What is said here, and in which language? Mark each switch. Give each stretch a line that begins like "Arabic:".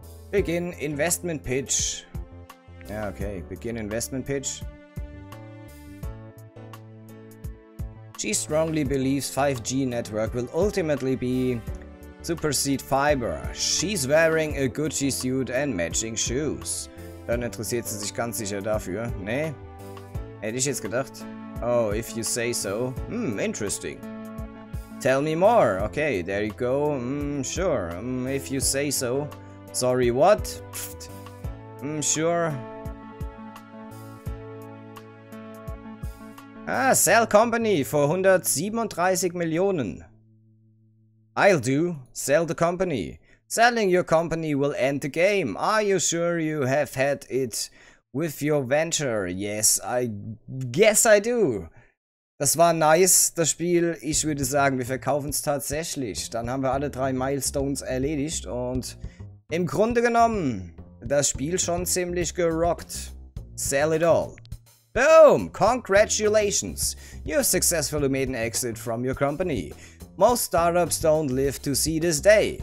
English: Begin Investment Pitch.
German: Ja,
English: okay. Begin Investment Pitch. She strongly believes 5G network will ultimately be supersede fiber. She's wearing a Gucci suit and matching shoes.
German: Dann interessiert sie sich ganz sicher dafür. Nee? Hätte ich jetzt gedacht.
English: Oh, if you say so. Hm, interesting. Tell me more. Okay, there you go. Sure. If you say so. Sorry, what? Pfft. Sure. Ah, sell company for 137 Millionen. I'll do. Sell the company. Selling your company will end the game. Are you sure you have had it with your venture? Yes, I guess I do.
German: Das war nice, das Spiel. Ich würde sagen, wir verkaufen es tatsächlich. Dann haben wir alle drei Milestones erledigt. Und im Grunde genommen, das Spiel schon ziemlich gerockt.
English: Sell it all. Boom! Congratulations! You've successfully made an exit from your company. Most startups don't live to see this day.